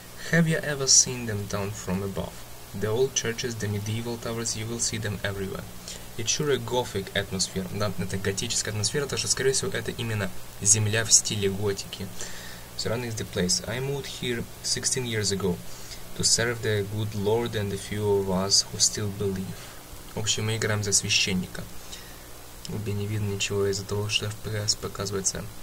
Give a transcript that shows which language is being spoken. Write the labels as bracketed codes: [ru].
[en] Have you ever seen them down from above? The old churches, the medieval towers, you will see them everywhere. It's sure a gothic atmosphere. [ru] Да, это готическая атмосфера, так что, скорее всего, это именно земля в стиле готики. [en] Surrounding the place. I moved here 16 years ago to serve the good lord and a few of us who still believe. [ru] В общем, мы играем за священника. Убей, не видно ничего из-за того, что FPS показывается.